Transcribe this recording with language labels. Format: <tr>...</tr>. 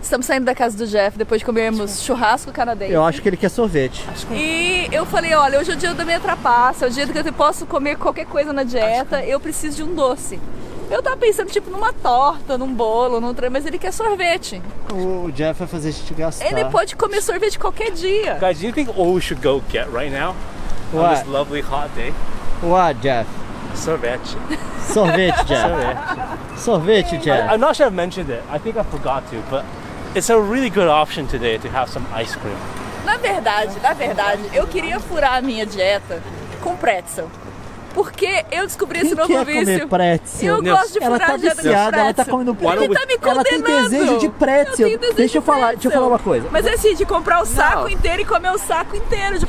<pt>Estamos saindo da casa do Jeff depois de comermos churrasco canadense. Eu acho que ele quer sorvete. E eu falei, olha, hoje é o dia da minha trapaça, é o dia que eu posso comer qualquer coisa na dieta, eu preciso de um doce. Eu tava pensando, tipo, numa torta, num bolo, num trem, mas ele quer sorvete. O Jeff vai fazer a gente gastar. Ele pode comer sorvete qualquer dia.</pt> <en>Guys, do you think all we should go get right now? What? On this lovely hot day? What, Jeff?</en> <pt>Sorvete. Sorvete, Jeff. Sorvete, Jeff.</pt> <en>I'm not sure I've mentioned it. I think I forgot to, but it's a really good option today to have some ice cream.</en> <pt>Na verdade, eu queria furar a minha dieta com pretzel. Porque eu descobri quem esse novo vício. Comer pretzel? Eu gosto de furar tá a dieta viciada, com pretzel. Ela tá viciada, ela tá comendo pretzel. Ele tá me condenando. Ela tem desejo de pretzel. Deixa eu falar uma coisa. Mas é assim, de comprar o saco inteiro e comer o saco inteiro de pretzel.</pt>